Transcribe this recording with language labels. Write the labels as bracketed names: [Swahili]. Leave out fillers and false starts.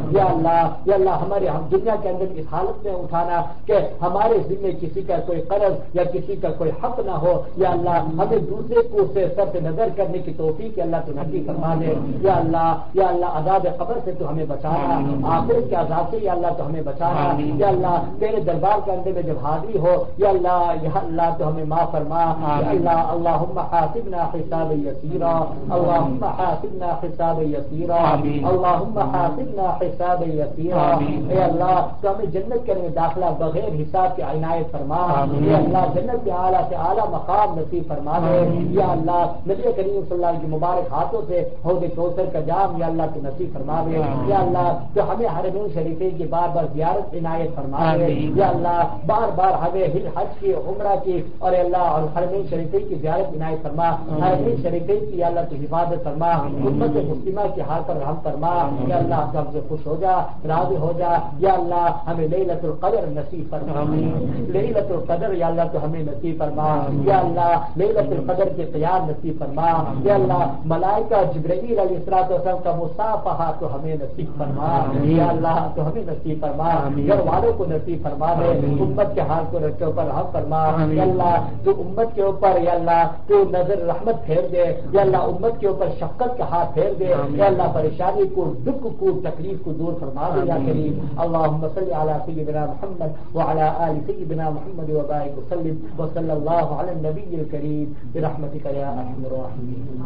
[Urdu] یا اللہ, یا اللہ ہمارے ہم دنیا کے اندر اس حالت میں اٹھانا کہ ہمارے ذمے کسی کا کوئی قرض یا کسی کا کوئی حق نہ ہو. یا اللہ ہمیں دوسرے کو سے سر سے نظر کرنے کی توفیق اللہ تو نصیب فرما دے. یا اللہ, یا اللہ عذاب قبر سے تو ہمیں بچانا, آخر کے عذاب سے یا اللہ تو ہمیں بچانا. یا اللہ تیرے دربار کے اندر میں جب حاضری ہو یا اللہ, یا اللہ تو ہمیں معاف فرما. [Arabic] اللهم حاسبنا حساب يسيرا, اللهم حاسبنا حساب يسيرا, اللهم حاسبنا حساب يسيرا. [Urdu] اے اللہ تو ہمیں جنت کے اندر داخلہ بغیر حساب کے عنایت فرما. اے اللہ جنت کے اعلیٰ سے اعلیٰ مقام نصیب فرما دے. یا اللہ نبی کریم صلی اللہ علیہ کی مبارک ہاتھوں سے حوض کوثر کا جام یا اللہ کی نصیب فرما دے. یا اللہ تو ہمیں حرمین شریفین کی بار بار زیارت عنایت فرما دے. یا اللہ بار بار ہمیں حج کی, عمرہ کی, اور اللہ اور حرمین شریفین کی زیارت عنایت فرما. حرمین شریفین کی اللہ کی حفاظت فرما. امت مسلمہ کی ہار پر رحم فرما. یا اللہ ہم سے خوش ہو جا, راضی ہو جا. یا اللہ ہمیں لیلۃ القدر نصیب فرما. لیلۃ القدر یا اللہ تو ہمیں نصیب فرما. یا اللہ لیلۃ القدر کے قیام نصیب فرما. یا اللہ ملائکہ جبرائیل علیہ الصلوۃ والسلام کا مصافحہ تو ہمیں نصیب فرما. یا اللہ تو ہمیں نصیب فرما. گھر والوں کو نصیب فرما دے. امت کے حال کو رکھے اوپر رحم فرما. یا اللہ تو امت کے اوپر یا اللہ تو نظر رحمت پھیر دے. یا اللہ امت کے اوپر شفقت کا ہاتھ پھیر دے. یا اللہ پریشانی کو, دکھ کو, تکلیف کو دور فرما دے. [Arabic] یا کریم اللهم صل على سيدنا محمد وعلى آل سيدنا محمد وبارك وسلم وصلى الله على النبي الكريم برحمتك يا ارحم الراحمين.